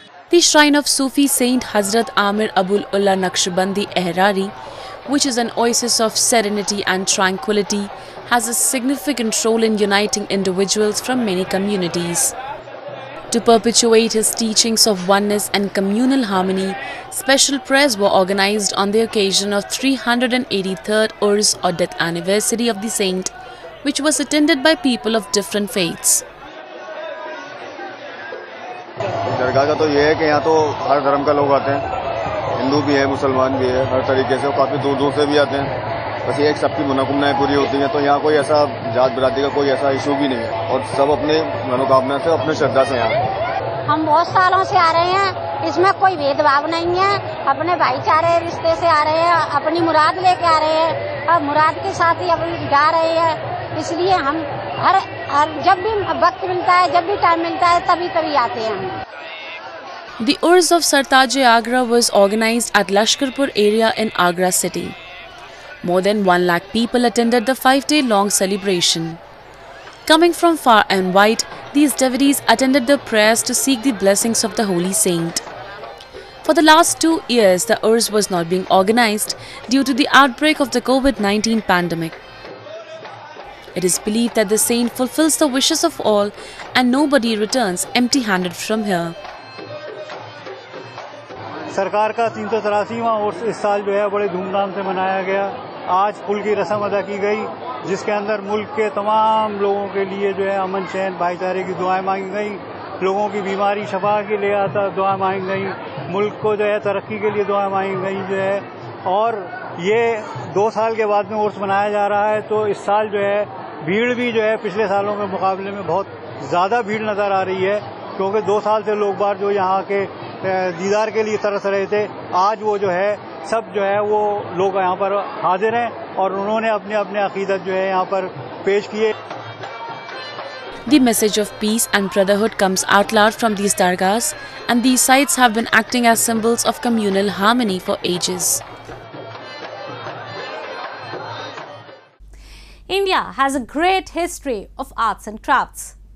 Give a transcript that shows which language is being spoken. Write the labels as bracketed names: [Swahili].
[English] The shrine of Sufi Saint Hazrat Amir Abul Ullah Naqshbandi Ehrari, which is an oasis of serenity and tranquility, has a significant role in uniting individuals from many communities. To perpetuate his teachings of oneness and communal harmony, special prayers were organized on the occasion of 383rd Urs or death anniversary of the saint, which was attended by people of different faiths. [Hindi] दरगाह का तो ये है कि यहाँ तो हर धर्म का लोग आते हैं, हिंदू भी हैं, मुसलमान भी हैं, हर तरीके से काफी दूर-दूर से भी आते हैं. बस एक सबकी मनोकामनाएं पूरी होती हैं तो यहाँ कोई ऐसा जात बिरादरी का कोई ऐसा इशू भी नहीं है और सब अपने मनोकामना से अपने श्रद्धा से यहाँ. हम बहुत सालों से आ रहे हैं, इसमें कोई भेदभाव नहीं है. अपने भाईचारे रिश्ते से आ रहे हैं, अपनी मुराद लेके आ रहे हैं और मुराद के साथ ही अपनी गा रहे हैं. इसलिए हम हर जब भी वक्त मिलता है, जब भी टाइम मिलता है, तभी तभी आते हैं. [English] The Urs of Sartaj-e-Agra was organized at Lashkarpur area in Agra city. More than 1 lakh people attended the 5-day-long celebration. Coming from far and wide, these devotees attended the prayers to seek the blessings of the holy saint. For the last 2 years, the Urs was not being organized due to the outbreak of the COVID-19 pandemic. It is believed that the saint fulfills the wishes of all and nobody returns empty-handed from here. [Hindi] सरकार का 383वां और इस साल जो है बड़े धूमधाम से मनाया गया आज फूल की रस्म अदा की गई जिसके अंदर मुल्क के तमाम लोगों के लिए जो है अमन चैन भाईचारे की दुआएं मांगी गई लोगों की बीमारी शफा के लिए आता दुआएं मांगी गई मुल्क को जो है तरक्की के लिए दुआएं मांगी गई जो है और ये 2 साल के बाद में उर्स मनाया जा रहा है तो इस साल जो है भीड़ भी जो है पिछले सालों के मुकाबले में बहुत ज़्यादा भीड़ नज़र आ रही है क्योंकि 2 साल से लोग बार जो यहाँ के दीदार के लिए तरस रहे थे आज वो जो है सब जो है वो लोग यहाँ पर हाजिर हैं और उन्होंने अपने अपने अकीदत जो है यहाँ पर पेश किए [English] The message of peace and brotherhood comes out loud from these dargahs and these sites have been acting as symbols of communal harmony for ages. India has a great history of arts and crafts.